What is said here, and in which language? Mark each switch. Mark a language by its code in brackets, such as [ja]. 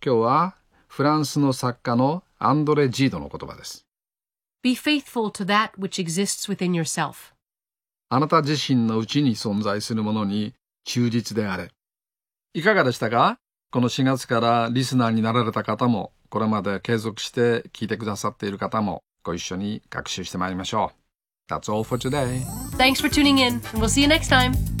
[ja] 今日はフランスの作家のアンドレ・ジードの言葉です。 [en] Be faithful to that which exists within yourself. [ja] あなた自身のうちに存在するものに忠実であれ。いかがでしたか？この4月からリスナーになられた方も、これまで継続して聞いてくださっている方も、ご一緒に学習してまいりましょう。 [en] That's all for today. Thanks for tuning in, and we'll see you next time.